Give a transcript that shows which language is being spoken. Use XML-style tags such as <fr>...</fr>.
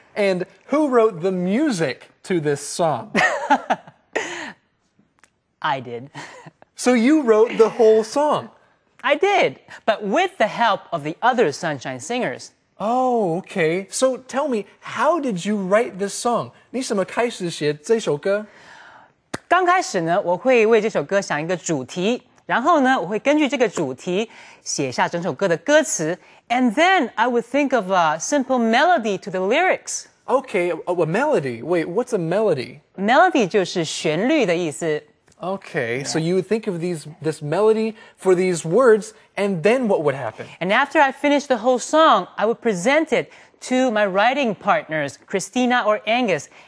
<en>And who wrote the music to this song? I did. So you wrote the whole song? I did, but with the help of the other Sunshine Singers. Oh, okay. So tell me, how did you write this song?</en> <zh>你什么开始写这首歌？刚开始呢，我会为这首歌想一个主题，然后呢，我会根据这个主题写下整首歌的歌词。</zh> <en>And then I would think of a simple melody to the lyrics. Okay, a melody. Wait, what's a melody?</en> <zh>Melody 就是旋律的意思。</zh> <en>Okay, so you would think of this melody for these words, and then what would happen? And after I finished the whole song, I would present it to my writing partners, Christina or Angus.</en>